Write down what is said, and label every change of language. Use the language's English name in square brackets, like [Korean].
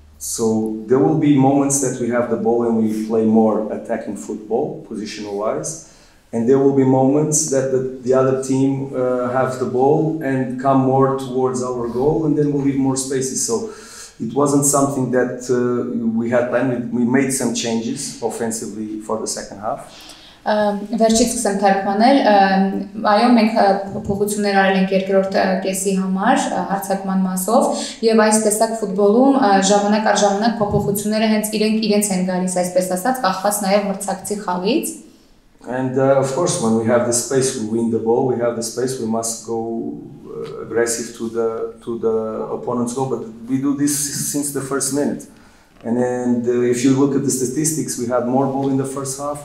[English] So there will be moments that we have the ball and we play more attacking football, positional wise. And there will be moments that the other team have the ball and come more towards our goal, and then we'll leave more spaces. So it wasn't something that we had planned. We made some changes offensively for the second half. [Armenian] Վերջից սկսեմ թարգմանել։ Այո, մենք փոփոխություններ արել ենք երկրորդ կեսի համար հարձակման մասով, եւ այս տեսակ ֆուտբոլում ժամանակ առ ժամանակ փոփոխությունները հենց իրենք իրենց են գալիս, այսպես ասած, կախված նաեւ մրցակցի խաղից։ [English] And of course, when we have the space, we win the ball. We have the space. We must go aggressive to the opponent's goal. But we do this since the first minute. And then, if you look at the statistics, we had more ball in the first half.